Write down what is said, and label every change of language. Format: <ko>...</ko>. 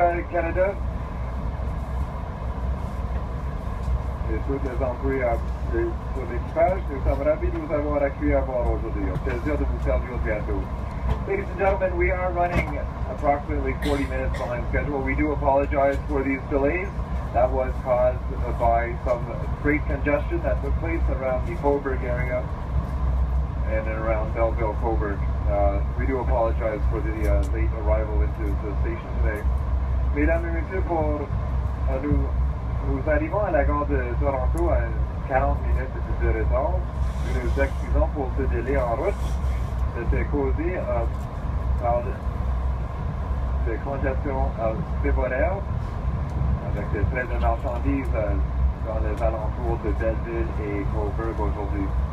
<en>Canada.</en> <fr>Et toutes les employés sur l'équipage, nous sommes ravis de vous avoir accueilli à bord aujourd'hui. Au plaisir de vous servir bientôt.</fr> <en>Ladies and gentlemen, we are running approximately 40 minutes behind schedule. We do apologize for these delays. That was caused by some freight congestion that took place around the Cobourg area and around Belleville Cobourg. We do apologize for the late arrival into the station today.</en> <fr>Mesdames et messieurs, pour nous. Nous arrivons à la gare de Toronto à 40 minutes de retard. Nous nous excusons pour ce délai en route. C'était causé par des congestions séboraires avec des trains de marchandises dans les alentours de Belleville et Cobourg aujourd'hui.</fr>